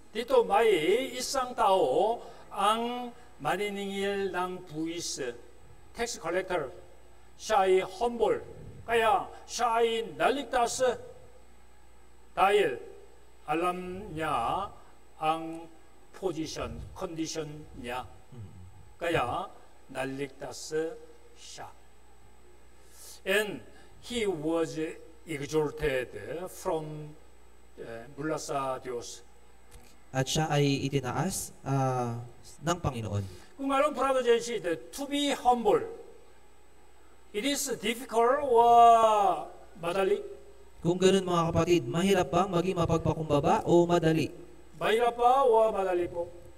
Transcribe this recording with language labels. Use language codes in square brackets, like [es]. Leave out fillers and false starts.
[tl] Dito may isang tao ang maniningil ng buwis, [en] tax collector. [tl] Siya ay humble, kaya siya ay naligtas dahil alam niya ang position, condition niya. Kaya naligtas siya. [en] And he was exalted from [tl] mula sa Diyos. At siya ay itinaas ng Panginoon. Kung alam, [en] Brother Jensi, to be humble, it is difficult or [tl] madali? Kung ganun mga kapatid, mahirap bang maging mapagpakumbaba o madali? Mahirap ba o madali po?